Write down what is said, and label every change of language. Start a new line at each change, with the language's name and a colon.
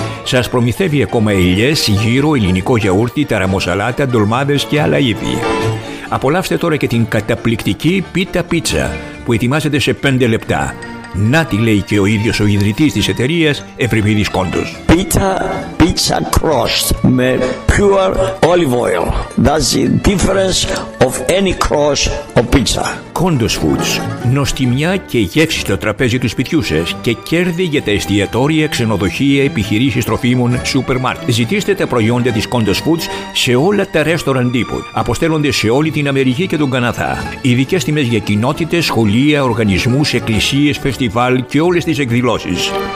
Greek: Σας προμηθεύει ακόμα ελιές, γύρο, ελληνικό γιαούρτι, ταραμοσαλάτα, ντολμάδες και άλλα ύφη. Απολαύστε τώρα και την καταπληκτική πίτα πίτσα που ετοιμάζεται σε 5 λεπτά. Να τη λέει και ο ίδιος ο ιδρυτής της εταιρείας, Ευρυμίδης Κόντος.
English: Pizza, pizza crust με pure olive oil. That's the difference of any crust of pizza.
Greek: Κόντος Foods. Νοστιμιά και γεύση στο τραπέζι του σπιτιού σας και κέρδη για τα εστιατόρια, ξενοδοχεία, επιχειρήσεις τροφίμων, σούπερ μάρκ. Ζητήστε τα προϊόντα της Κόντος Foods σε όλα τα restaurant depot. Αποστέλλονται σε όλη την Αμερική και τον Καναδά. Ειδικές τιμές για κοινότητες, σχολεία, οργανισμούς, εκκλησίες, φεστιβάλ και όλες τις εκδηλώσεις.